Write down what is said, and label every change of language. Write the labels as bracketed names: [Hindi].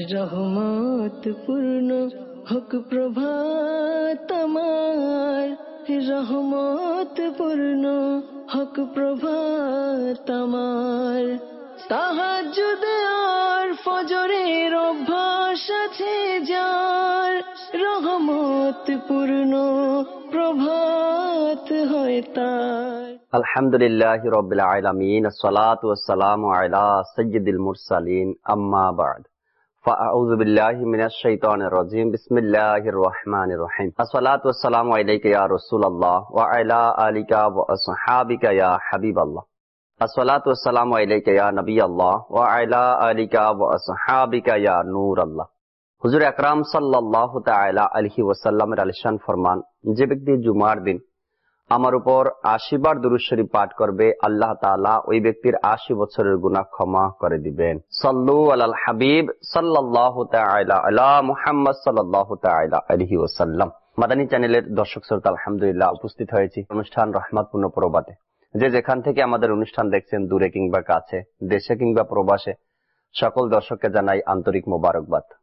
[Bangla] রহমত পূর্ণ হক প্রভাত আমার, রহমত পূর্ণ হক প্রভাত আমার, তাহাজ্জুদ আর ফজরের অভ্যাস আছে যার, রহমত পূর্ণ প্রভাত হয় তার। আলহামদুলিল্লাহি রাব্বিল আলামিন, আসসালাতু ওয়াসসালামু আলা সাইয়্যিদিল মুরসালিন, আম্মা বাদ। [Arabic] فَأَعُوذُ بِاللَّهِ مِنَ الشَّيْطَانِ الرَّجِيمِ بِسْمِ اللَّهِ الرَّحْمَنِ الرَّحِيمِ الصَّلَاةُ وَالسَّلَامُ عَلَيْكَ يَا رَسُولَ اللَّهِ وَعَلَى آلِكَ وَأَصْحَابِكَ يَا حَبِيبَ اللَّهِ الصَّلَاةُ وَالسَّلَامُ عَلَيْكَ يَا نَبِيَّ اللَّهِ وَعَلَى آلِكَ وَأَصْحَابِكَ يَا نُورَ اللَّهِ [Urdu] حضور اکرام صلی اللہ تعالی علیہ وسلم رالشان فرمان جب ایک دی جمعار دن [Bangla] আমার উপর 80 বার দুরূদ শরীফ পাঠ করবে, আল্লাহ তাআলা ওই ব্যক্তির 80 বছরের গুনাহ ক্ষমা করে দিবেন। সাল্লু আলাল হাবিব সাল্লাল্লাহু তাআলা আলা মুহাম্মদ সাল্লাল্লাহু তাআলা আলাইহি ওয়াসাল্লাম। মাদানী চ্যানেলের দর্শক শ্রোতা, আলহামদুলিল্লাহ উপস্থিত হয়েছি অনুষ্ঠান রহমতপূর্ণ প্রভাতে। যে যেখান থেকে আমাদের অনুষ্ঠান দেখছেন, দূরে কিংবা কাছে, দেশে কিংবা প্রবাসে, সকল দর্শককে জানাই আন্তরিক মোবারকবাদ।